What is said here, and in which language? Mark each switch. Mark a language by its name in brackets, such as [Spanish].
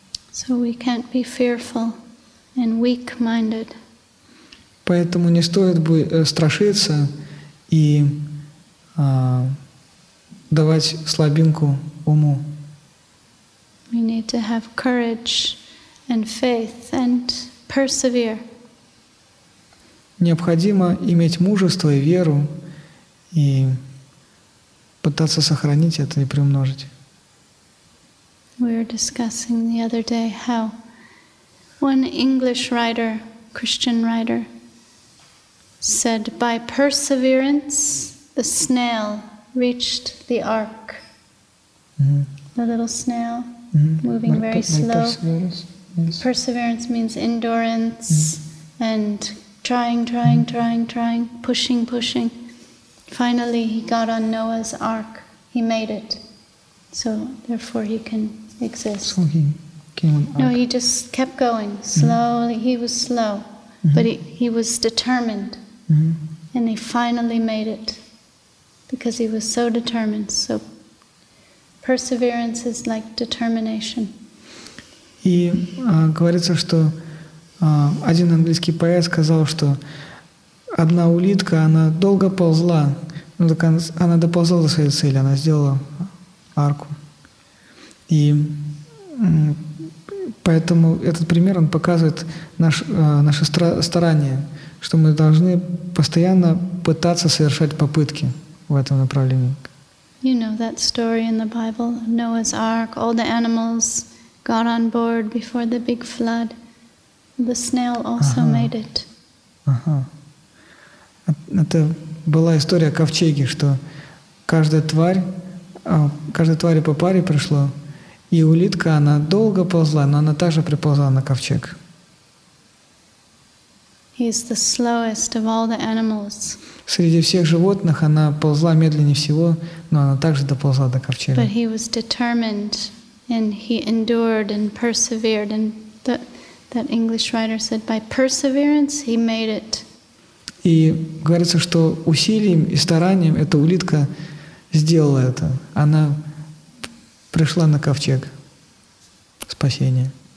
[English] So we can't be fearful and weak-minded. [Russian] Поэтому не стоит страшиться и давать слабинку уму. [English] We need to have courage and faith and persevere. [Russian] Необходимо иметь мужество и веру и пытаться сохранить это и приумножить. [English] We were discussing the other day how one English writer, Christian writer, said, "By perseverance, the snail reached the ark." The little snail, moving very slow. Perseverance means endurance and trying, pushing. Finally, he got on Noah's ark. He made it, so therefore he can exist. So he came on ark. No, he just kept going slowly. He was slow, but he was determined, and he finally made it. Because he was so determined, so perseverance is like determination. [Russian] И говорится, что один английский поэт сказал, что одна улитка, она долго ползла, но до конца, она доползла до своей цели, она сделала арку. И поэтому этот пример, он показывает наше старание, что мы должны постоянно пытаться совершать попытки в этом направлении. [English] You know that story in the Bible, Noah's Ark, all the animals got on board before the big flood. The snail also made it. [Russian] Это была история о ковчеге, что каждая тварь по паре пришла, и улитка, она долго ползла, но она также приползла на ковчег. [English] He's the slowest of all the animals. [Russian] Среди всех животных она ползла медленнее всего, но она также доползла до ковчега. [English] But he was determined And he endured and persevered, and that English writer said, by perseverance he made it. [Russian] И говорится, что усилием и старанием эта улитка сделала это. Она пришла на ковчег спасения.